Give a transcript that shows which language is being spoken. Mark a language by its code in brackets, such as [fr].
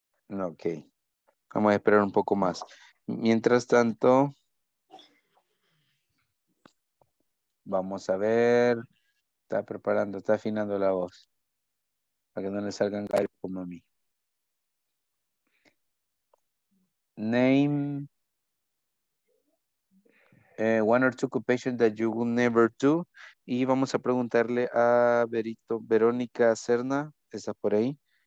[es] Ok. Vamos a esperar un poco más. Mientras tanto, vamos a ver. Está preparando, está afinando la voz. Para que no le salgan gallos como a mí. [en] Name one or two occupations that you will never do. [es] Y vamos a preguntarle a Berito, Verónica Cerna, está por ahí.